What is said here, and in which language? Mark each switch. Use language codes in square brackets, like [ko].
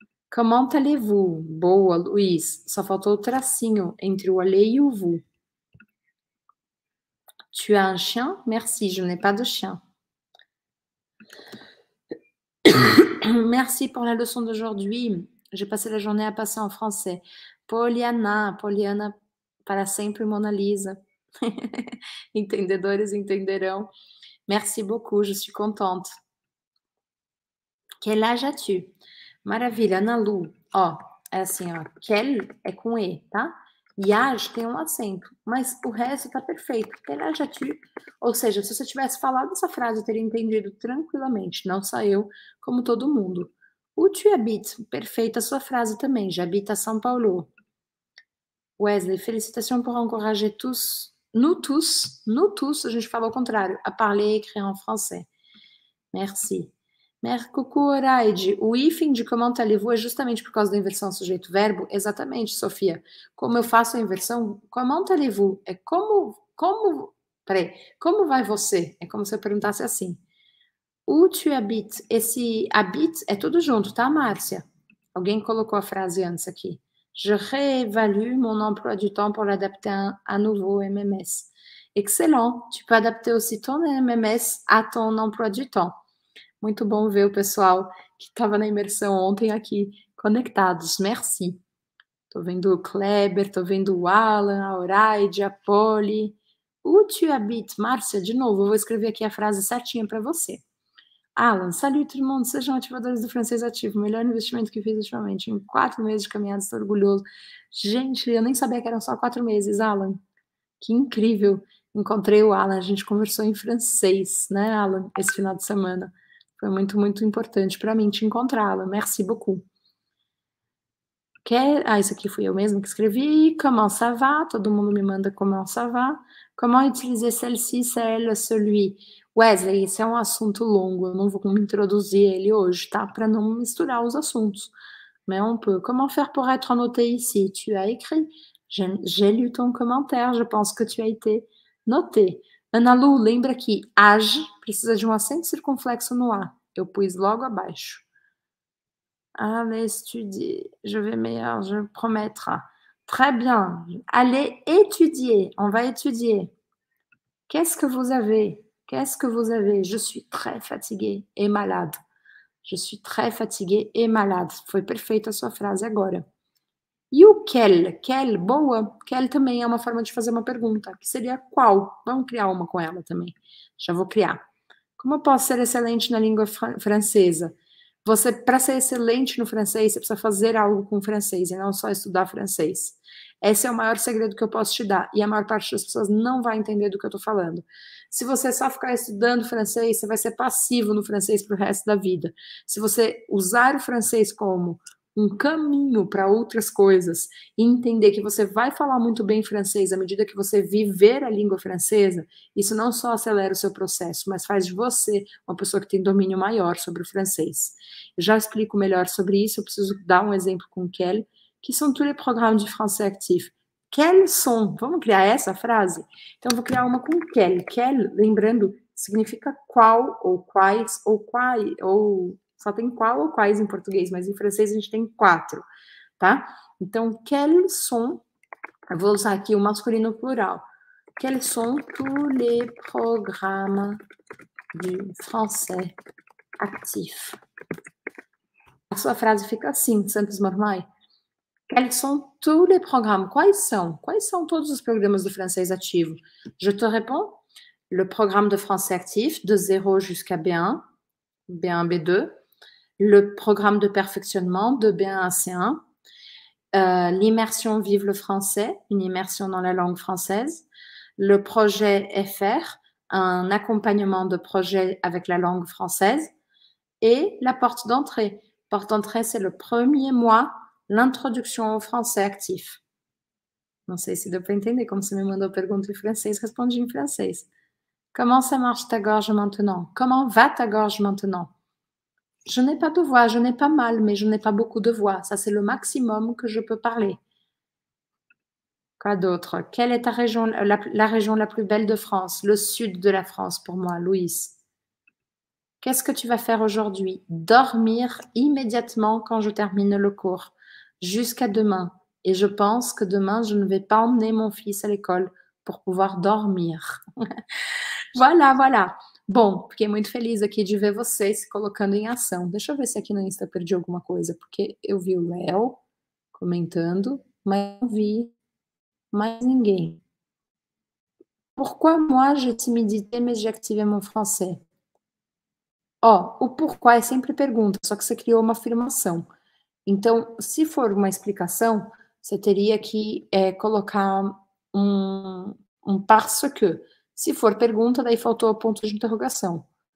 [fr] Comment allez-vous? [pt] Boa, Luiz. Só faltou o tracinho entre o allez e o vous. [fr] Tu as un chien? Merci, je n'ai pas de chien. Merci pour la leçon d'aujourd'hui. J'ai passé la journée à passer en français. [pt] Poliana, Poliana. Para sempre, Mona Lisa. Entendedores entenderão. [fr] Merci beaucoup, je suis contente. Quel âge as-tu? [pt] Maravilha, Ana Lu. Ó, é assim, ó. Quel é com E, tá? Yaj tem um acento, mas o resto tá perfeito. [fr] Quel âge as-tu? [pt] Ou seja, se você tivesse falado essa frase, eu teria entendido tranquilamente. Não só eu, como todo mundo. [fr] Où tu habites? [pt] Perfeita a sua frase também. [fr] J'habite à São Paulo. Wesley, félicitations pour encourager tous, nous tous, nous tous, [pt] a gente fala ao contrário, [fr] a parler e écrire en français. Merci. Coucou, Oraide. [pt] O hífen de comment allez-vous é justamente por causa da inversão sujeito-verbo? Exatamente, Sofia. Como eu faço a inversão? [fr] Comment allez-vous? [pt] É como, peraí, como vai você? É como se eu perguntasse assim. [fr] Où tu habites? [pt] Esse habite é tudo junto, tá, Márcia? Alguém colocou a frase antes aqui. [fr] Je réévalue mon emploi du temps pour l'adapter à nouveau MMS. Excellent! Tu peux adapter aussi ton MMS à ton emploi du temps. [pt] Muito bom ver o pessoal que estava na imersão ontem aqui, conectados. [fr] Merci. [pt] Estou vendo o Kleber, estou vendo o Alan, a Oraide, a Polly. [fr] Où tu habites, Márcia? [pt] De novo, eu vou escrever aqui a frase certinha para você. Alan, [fr] salut tout le monde, [pt] sejam ativadores do francês ativo, melhor investimento que fiz ultimamente, em 4 meses de caminhada, estou orgulhoso. Gente, eu nem sabia que eram só 4 meses, Alan. Que incrível, encontrei o Alan, a gente conversou em francês, né, Alan, esse final de semana. Foi muito, muito importante para mim te encontrá-lo, [fr] merci beaucoup. [pt] Ah, isso aqui fui eu mesma que escrevi. [fr] Comment ça va? [pt] Todo mundo me manda [fr] comment ça va. Comment utiliser celle-ci, celle, celui? [pt] Wesley, esse é um assunto longo. Eu não vou me introduzir ele hoje, tá? Para não misturar os assuntos. [fr] Mais um peu. Comment faire pour être noté ici? Tu as écrit? J'ai lu ton commentaire. Je pense que tu as été noté. [pt] Ana Lu, lembra que age precisa de um acento circunflexo no A. Eu pus logo abaixo. [fr] Allez étudier, je vais meilleur, je promets. Très bien. Allez étudier, on va étudier. Qu'est-ce que vous avez? Qu'est-ce que vous avez? Je suis très fatiguée et malade. Je suis très fatiguée et malade. [pt] Foi perfeita a sua frase agora. E o quel? Quel, boa. Quel também é uma forma de fazer uma pergunta, que seria qual? Vamos criar uma com ela também. Já vou criar. Como eu posso ser excelente na língua francesa? Você, para ser excelente no francês, você precisa fazer algo com o francês e não só estudar francês. Esse é o maior segredo que eu posso te dar, e a maior parte das pessoas não vai entender do que eu estou falando. Se você só ficar estudando francês, você vai ser passivo no francês para o resto da vida. Se você usar o francês como um caminho para outras coisas e entender que você vai falar muito bem francês à medida que você viver a língua francesa, isso não só acelera o seu processo, mas faz de você uma pessoa que tem domínio maior sobre o francês. Eu já explico melhor sobre isso, eu preciso dar um exemplo com o Kelly. [fr] Que são tous les programmes de français actif? Quels sont? [pt] Vamos criar essa frase? Então, eu vou criar uma com quel. Quel, lembrando, significa qual ou quais ou quais, ou só tem qual ou quais em português, mas em francês a gente tem quatro, tá? Então, [fr] quels sont, [pt] eu vou usar aqui o masculino plural. [fr] Quels sont tous les programmes de français actif? [pt] A sua frase fica assim, Santos Mormai. [fr] Quels sont tous les programmes? [pt] Quais são? Quais são todos os programas do francês ativo? [fr] Je te réponds. Le programme de français actif, de 0 jusqu'à B1, B1, B2. Le programme de perfectionnement, de B1 à C1. L'immersion Vive le français, une immersion dans la langue française. Le projet FR, un accompagnement de projet avec la langue française. Et la porte d'entrée. Porte d'entrée, c'est le premier mois. L'introduction au français actif. [pt] Não sei se deu para entender como você me mandou pergunta em francês, respondi em francês. [fr] Comment ça marche ta gorge maintenant? Comment va ta gorge maintenant? Je n'ai pas de voix, je n'ai pas mal, mais je n'ai pas beaucoup de voix. Ça, c'est le maximum que je peux parler. Quoi d'autre? Quelle est ta région, la région la plus belle de France, le sud de la France pour moi, Louise? Qu'est-ce que tu vas faire aujourd'hui? Dormir immédiatement quand je termine le cours, jusqu'à demain. Et je pense que demain, je ne vais pas emmener mon fils à l'école pour pouvoir dormir. Voilà. [pt] Bom, fiquei muito feliz aqui de ver vocês se colocando em ação. Deixa eu ver se aqui no Insta perdi alguma coisa, porque eu vi o Léo comentando, mas não vi mais ninguém. [fr] Pourquoi moi j'ai timidité, mais j'active mon français? [pt] Ó, o porquê é sempre pergunta, só que você criou uma afirmação. Então, se for uma explicação, você teria que colocar um parce que. Se for pergunta, daí faltou o ponto de interrogação.